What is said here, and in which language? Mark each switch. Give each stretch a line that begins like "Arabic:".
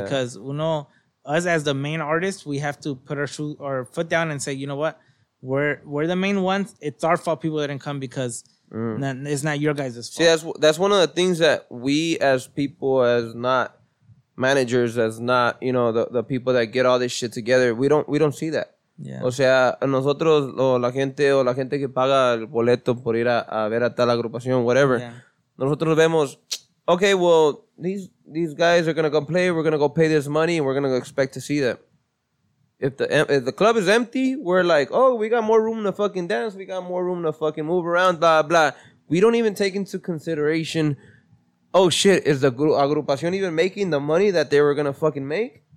English: Because us as the main artists, we have to put our foot down and say, you know what? We're the main ones. It's our fault people didn't come because it's not your guys' fault. See, that's one of the things that we as people, as not managers, as not, you know, the people that get all this shit together, we don't see that. Yeah.
Spanish: O sea, nosotros o la gente que paga el boleto por ir a ver a tal agrupación,
English: whatever. Yeah.
Spanish: Nosotros vemos,
English: okay, well, these guys are going to come play, we're going to go pay this money, and we're going to expect to see them. If the club is empty, we're like, oh, we got more room to fucking dance, we got more room to fucking move around, blah, blah. We don't even take into consideration, oh, shit, is the agrupación even making the money that they were going to fucking make?